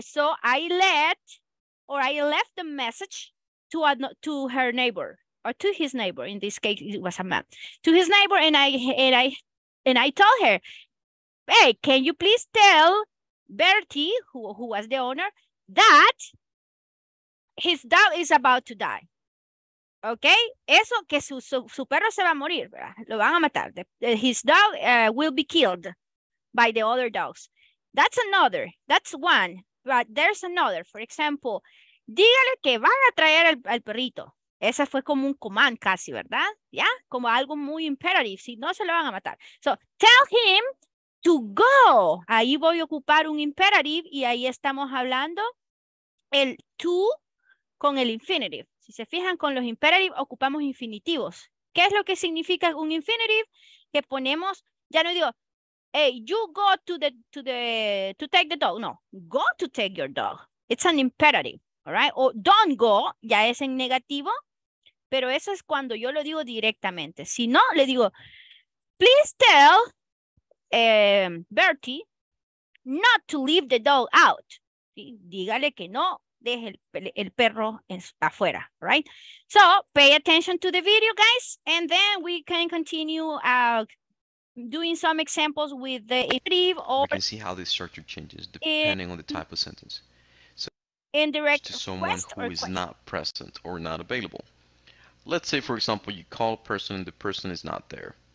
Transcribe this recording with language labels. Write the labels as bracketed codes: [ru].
[en] So I left the message to her neighbor, or to his neighbor. In this case, it was a man. To his neighbor, and I told her, hey, can you please tell Bertie, who was the owner, that his dog is about to die. Okay? [es] Eso, que su perro se va a morir, ¿verdad? Lo van a matar. [en] His dog will be killed by the other dogs. That's one. But there's another. For example, [es] dígale que van a traer al perrito. Esa fue como un command casi, ¿verdad? ¿Ya? Como algo muy imperative. Si no, se lo van a matar. [en] So, tell him to go. [es] Ahí voy a ocupar un imperative y ahí estamos hablando el to con el infinitive. Si se fijan, con los imperatives ocupamos infinitivos. ¿Qué es lo que significa un infinitive? Que ponemos, ya no digo, [en] hey, you go to take the dog. No, go to take your dog. It's an imperative, all right? [es] O [en] don't go, [es] ya es en negativo, pero eso es cuando yo lo digo directamente. Si no, le digo, [en] please tell Bertie not to leave the dog out. [es] ¿Sí? Dígale que no deje el perro afuera, right? [en] So, pay attention to the video, guys, and then we can continue doing some examples with the infinitive or. You can see how the structure changes depending on the type of sentence. So, indirect to someone who is not present or not available. Let's say, for example, you call a person and the person is not there.